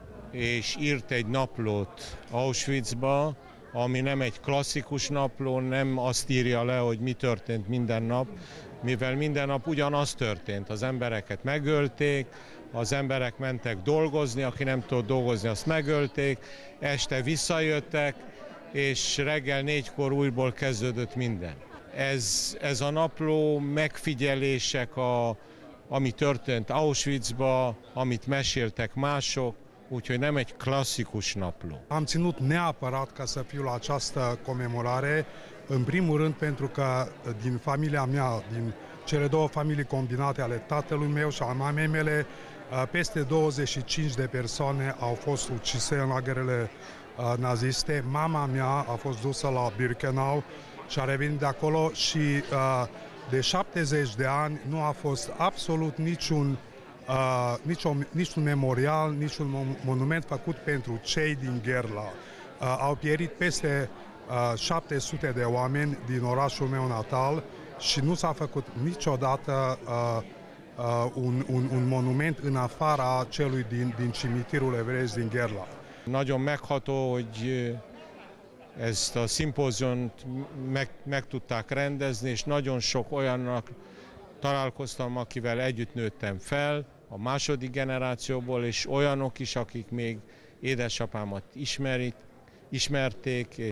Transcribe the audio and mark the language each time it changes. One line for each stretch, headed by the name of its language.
Hungarian: és írt egy naplót Auschwitzba, ami nem egy klasszikus napló, nem azt írja le, hogy mi történt minden nap, mivel minden nap ugyanaz történt, az embereket megölték, az emberek mentek dolgozni, aki nem tud dolgozni, azt megölték, este visszajöttek, és reggel 4-kor újból kezdődött minden. Ez a napló megfigyelések, ami történt Auschwitzba, amit meséltek mások, úgyhogy nem egy klasszikus napló.
Romanian: Am ținut neapărat ca să fiu la această comemorare, în primul rând pentru că din familia mea, din cele două familii combinate ale tatălui meu și a mamei mele, peste 25 de persoane au fost ucise în lagărele naziste. Mama mea a fost dusă la Birkenau și a revenit de acolo și de 70 de ani nu a fost absolut niciun memorial, niciun monument făcut pentru cei din Gherla. Au pierit peste 700 de oameni din orașul meu natal și nu s-a făcut niciodată un monument în afara celui din cimitirul evreiesc din Gherla.
Hungarian: Nagyon megható, hogy ezt a szimpóziont meg tudták rendezni, és nagyon sok olyannak találkoztam, akivel együtt nőttem fel a második generációból, és olyanok is, akik még édesapámat ismerték.